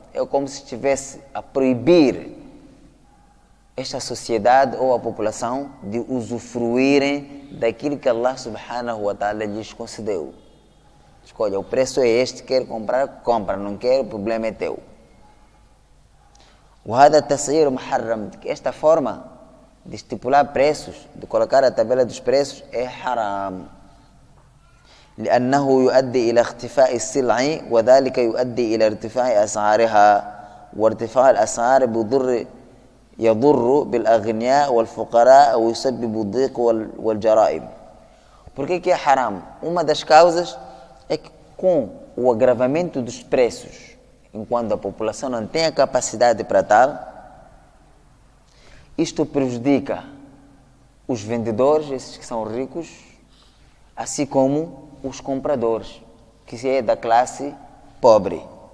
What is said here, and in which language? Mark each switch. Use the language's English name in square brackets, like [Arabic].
[Portuguese] É como se estivesse a proibir esta sociedade ou a população de usufruírem daquilo que Allah subhanahu wa ta'ala lhes concedeu. Escolha, o preço é este, quer comprar, compra, não quer, o problema é teu. [Arabic] Wahada tas'ir muharram, [Portuguese] esta forma de estipular preços, de colocar a tabela dos preços, é haram. [Arabic] لأنه يؤدي إلى اختفاء السلع وذلك يؤدي إلى ارتفاع أسعارها وارتفاع الأسعار بضر يضر بالأغنياء والفقراء ويسبب الضيق والجرائم. [Portuguese] Por que é haram? Uma das causas é que com o agravamento dos preços, enquanto a população não tem a capacidade para tal, isto prejudica os vendedores, esses que são ricos, assim como os compradores, que é da classe pobre.